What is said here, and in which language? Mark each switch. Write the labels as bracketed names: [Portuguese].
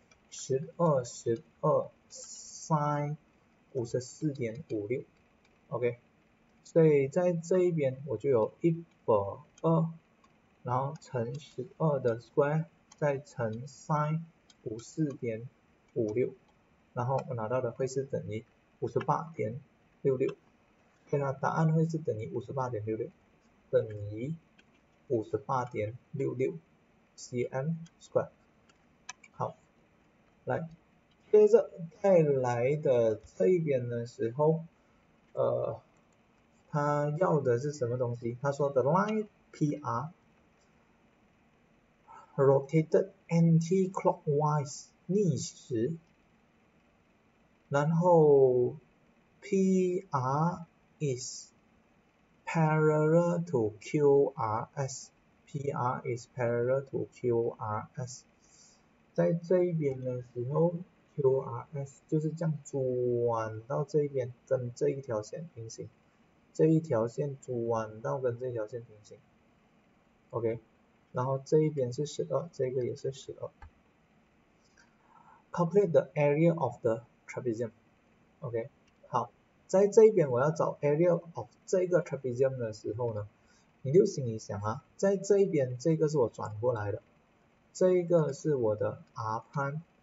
[Chinese] C，12/sin54.56，OK，所以在这一边我就有120，然后乘12的 square，再乘 sin54.56，然后我拿到的会是等于58.66，所以它答案会是等于58.66cm square。来。接着再来的这一边的时候，他要的是什么东西？他说 [English] the line PR rotated anti-clockwise [Chinese] 逆时，然后 [English] PR is parallel to QRS，PR is parallel to QRS， [Chinese] 在这一边的时候。 QRS 就是这样转到这一边，跟这一条线平行，这一条线转到跟这条线平行，OK，然后这一边是12，这个也是12。 [English] Calculate the area of the trapezium， [Chinese] OK，好，在这一边我要找 area of 这个 trapezium 的时候呢，你就心里想啊，在这一边这个是我转过来的，这一个是我的 R prime。